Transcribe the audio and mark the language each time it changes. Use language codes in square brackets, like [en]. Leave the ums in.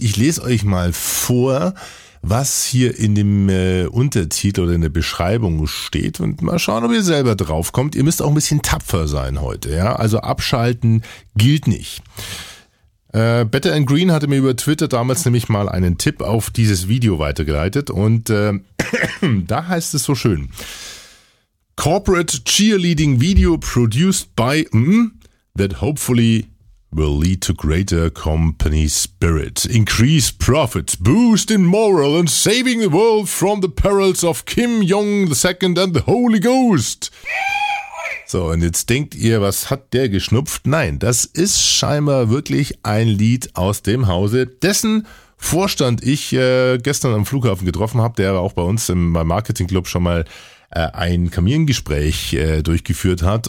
[de] Ich lese euch mal vor, was hier in dem äh, Untertitel oder in der Beschreibung steht und mal schauen, ob ihr selber draufkommt. Ihr müsst auch ein bisschen tapfer sein heute, ja? Also abschalten gilt nicht. Äh, Better and Green hatte mir über Twitter damals nämlich mal einen Tipp auf dieses Video weitergeleitet und äh, da heißt es so schön. [en] corporate cheerleading video produced by mm, that hopefully will lead to greater company spirit, increase profits, boost in morale, and saving the world from the perils of Kim Jong II and the Holy Ghost. [de] So, und jetzt denkt ihr, was hat der geschnupft? Nein, das ist scheinbar wirklich ein Lied aus dem Hause, dessen Vorstand ich äh, gestern am Flughafen getroffen habe, der auch bei uns im beim Marketing Club schon mal ein Kamingespräch äh, durchgeführt hat.